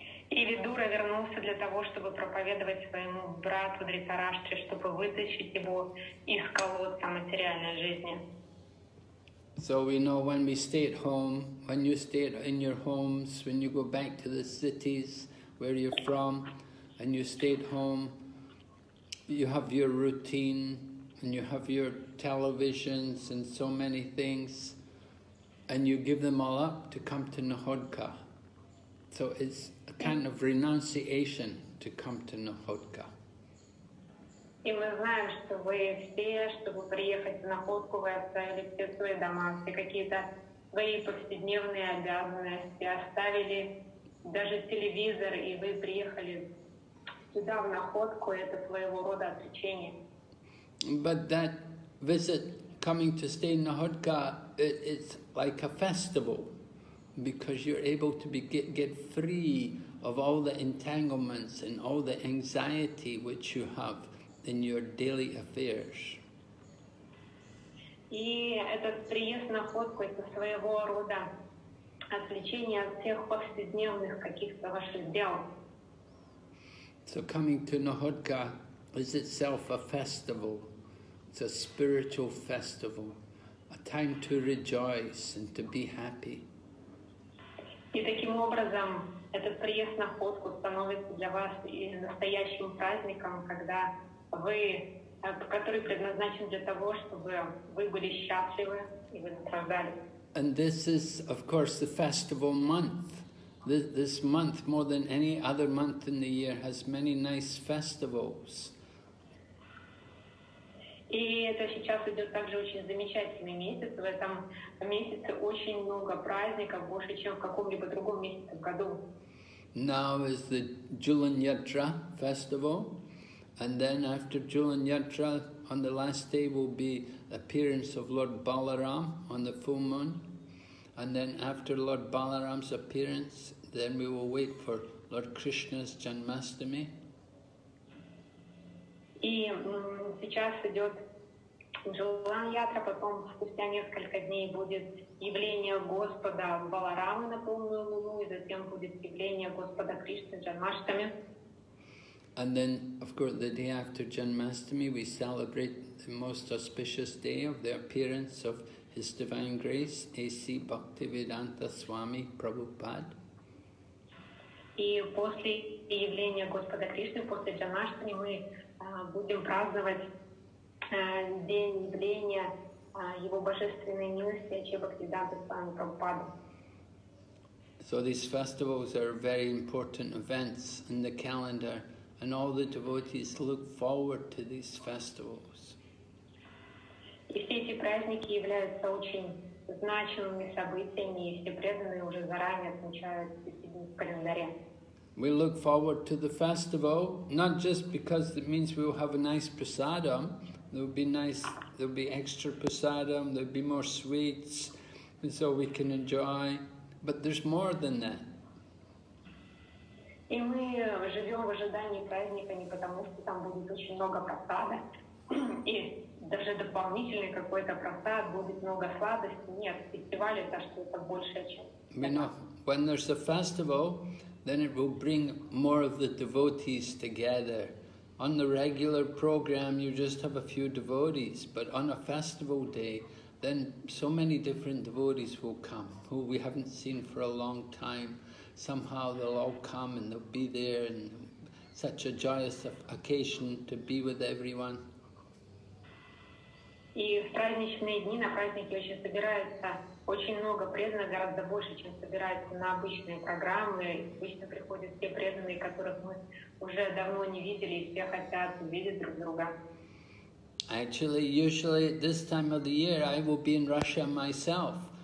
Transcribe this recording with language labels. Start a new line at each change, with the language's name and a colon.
Russian: И Видура вернулся для того, чтобы проповедовать своему брату Дритараштре, чтобы вытащить его из колодца материальной жизни.
English: So we know when we stay at home, when you stay in your homes, when you go back to the cities where you're from, and you stay at home, you have your routine, and you have your televisions and so many things, and you give them all up to come to Nahodka. So it's kind of renunciation to come to Nahodka.
Russian: И мы знаем, что вы все, чтобы приехать в находку, вы оставили все свои дома, все какие-то свои повседневные обязанности, оставили даже телевизор, и вы приехали сюда в находку, это своего рода отречение.
English: But that visit, coming to stay in Nahodka, it's like a festival, because you're able to be get free of all the entanglements and all the anxiety which you have in your daily affairs.
Russian: И этот приезд на Ходку — это своего рода отвлечение от всех повседневных каких-то ваших дел.
English: So coming to Nahodka is itself a festival. It's a spiritual festival, a time to rejoice and to be happy.
Russian: И таким образом этот приезд на Ходку становится для вас и настоящим праздником, когда вы, который предназначен для того, чтобы вы были счастливы и вы наслаждались.
English: And this is, of course, the festival month. This month, more than any other month in the year, has many nice festivals.
Russian: И это сейчас идет также очень замечательный месяц. В этом месяце очень много праздников, больше, чем в каком-либо другом месяце в году.
English: Now is the Julan Yatra festival, and then after Julan Yatra, on the last day will be appearance of Lord Balaram on the full moon, and then after Lord Balaram's appearance, then we will wait for Lord Krishna's Janmashtami.
Russian: И сейчас идет Джулан Ятра, потом спустя несколько дней будет явление Господа Баларамы на полную луну, и затем будет явление Господа Кришны Джанмаштами.
English: And then, of course, the day after Janmashtami, we celebrate the most auspicious day of the appearance of His Divine Grace, A.C. Bhaktivedanta Swami Prabhupada.
Russian: И после явления Господа Кришны, после Джанмаштами, мы будем праздновать день явления Его Божественной милости Ачхи Бхактивиданты Свами Прабхупады.
English: So these festivals are very important events in the calendar, and all the devotees look forward to these festivals.
Russian: И все эти праздники являются очень значимыми событиями, и все преданные уже заранее отмечают себе в календаре.
English: We look forward to the festival, not just because it means we will have a nice prasadam, there will be extra prasadam, there will be more sweets, and so we can enjoy, but there's more than that.
Russian: И мы живем в ожидании праздника не потому, что там будет очень много прасада, и даже дополнительный какой-то прасад, будет много сладости, нет, фестиваль — это что-то большее, чем...
English: We know, when there's a festival, then it will bring more of the devotees together. On the regular program, you just have a few devotees, but on a festival day, then so many different devotees will come, who we haven't seen for a long time. Somehow they'll all come and they'll be there, and such a joyous occasion to be with everyone.
Russian: И в праздничные дни, на праздники очень собираются очень много преданных, гораздо больше, чем собирается на обычные программы. Обычно приходят те преданные, которых мы уже давно не видели, и все хотят увидеть друг друга.
English: Actually, usually at this time of the year, I will be in Russia myself.